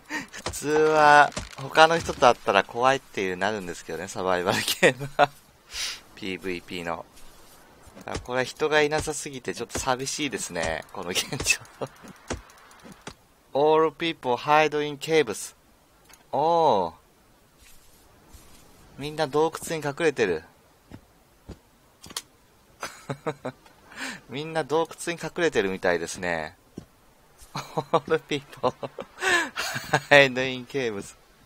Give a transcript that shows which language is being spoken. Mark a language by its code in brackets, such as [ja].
[ja] 普通は他の人と会ったら怖いっていうなるんですけどね、サバイバルゲームPVP の。これは人がいなさすぎてちょっと寂しいですね、この現状。 [en] All people hide in caves. [ja] おお。みんな洞窟に隠れてる。みんな洞窟に隠れてるみたいですね。 [en] All people hide in caves。